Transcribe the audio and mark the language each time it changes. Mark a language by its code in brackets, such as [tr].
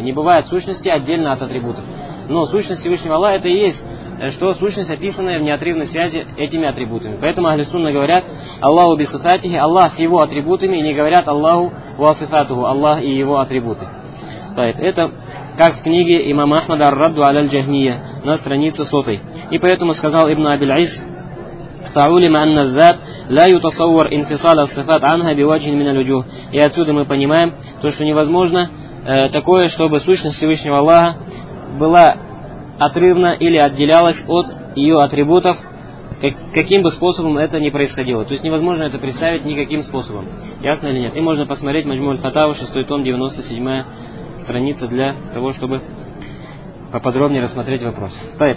[ru] Не бывает сущности отдельно от атрибутов. Но сущность Всевышнего Аллаха, это и есть что сущность, описанная в неотрывной связи этими атрибутами. Поэтому Ахли Сунна говорят, Аллаху бисифатихи, Аллах с его атрибутами, и не говорят Аллаху ва сифатуху, Аллах и его атрибуты. Это как в книге имама Ахмада Ар-Радду Аляль Джахмия на странице 100. И поэтому сказал Ибн Абиль Айс, [ar] فعلم أن الذات لا يتصور انفصال الصفات عنها بوجه من الوجوه. [ru] И отсюда мы понимаем то, что невозможно такое, чтобы сущность Всевышнего Аллаха была отрывна или отделялась от ее атрибутов, каким бы способом это ни происходило. То есть невозможно это представить никаким способом. Ясно или нет? И можно посмотреть Маджмуль Фатаву, 6 том, 97 страница, для того, чтобы поподробнее рассмотреть вопрос. Тайб.